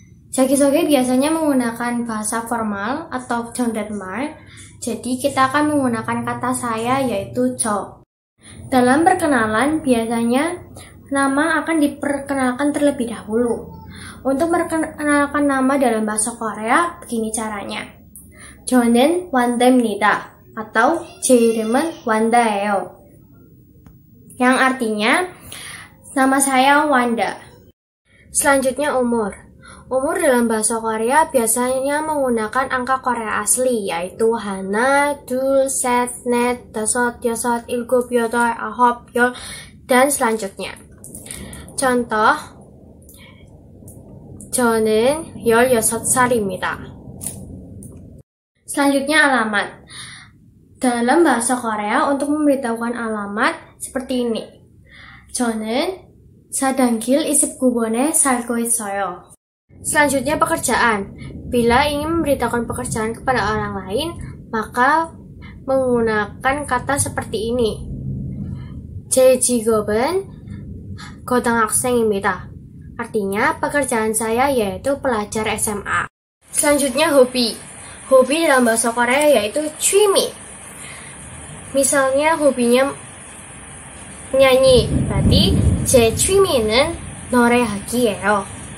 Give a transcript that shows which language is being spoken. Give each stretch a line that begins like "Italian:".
Indonesian: Jagisoge biasanya menggunakan bahasa formal atau jeongdaemal, jadi kita akan menggunakan kata saya yaitu jo. Dalam perkenalan, biasanya nama akan diperkenalkan terlebih dahulu. Untuk memperkenalkan nama dalam bahasa Korea, begini caranya.
Korean: 저는 원대입니다.
Indonesian: Atau
Korean: 제 이름은 원대예요.
Indonesian: Yang artinya, nama saya Wanda. Selanjutnya, umur. Umur dalam bahasa Korea biasanya menggunakan angka Korea asli, yaitu
Korean: Hana, Dul, Set, Net, Dasot, Yosot, Ilgub, Yodoy, Ahob, Yol,
Indonesian: dan selanjutnya. Contoh,
Korean: 저는 16살입니다.
Indonesian: Selanjutnya, alamat. Dalam bahasa Korea, untuk memberitahukan alamat seperti ini.
Korean: 저는 사당길 29번에 살고 있어요.
Indonesian: Selanjutnya, pekerjaan. Bila ingin memberitahukan pekerjaan kepada orang lain, maka menggunakan kata seperti ini.
Korean: 제 직업은 고등학생입니다.
Indonesian: Artinya, pekerjaan saya yaitu pelajar SMA. Selanjutnya, hobi. Hobi dalam bahasa Korea yaitu 취미. Misalnya, hobinya nyanyi. Berarti,
Korean: 제 취미는 노래하기예요.